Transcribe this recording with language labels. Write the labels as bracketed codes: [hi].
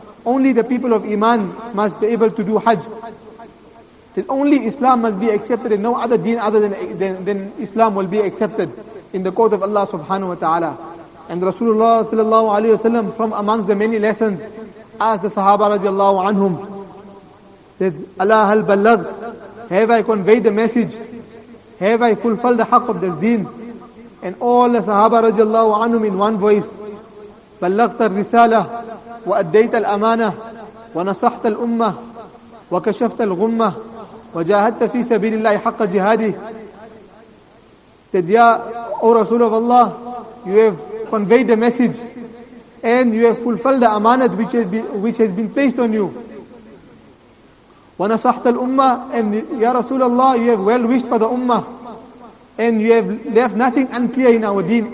[en] Only the people of Iman must be able to do Hajj. That only Islam must be accepted and no other deen other than Islam will be accepted in the court of Allah subhanahu wa ta'ala. And Rasulullah sallallahu alayhi wa sallam, from amongst the many lessons, asked the Sahaba radiallahu anhum, that [ar] Allah hal ballagh, [en] have I conveyed the message? Have I fulfilled the haqq of this deen? And all the Sahaba radiallahu anhum in one voice, [ar] ballaghta risalah, وأديت الأمانة ونصحت الأمة وكشفت الغمة وجاهدت في سبيل الله حق جهاده. [en] O Rasul of Allah, you have conveyed the message and you have fulfilled the amanat which has been placed on you. [ar] ونصحت الأمة, [en] and Ya Rasul Allah, you have well wished for the Ummah and you have left nothing unclear in our deen.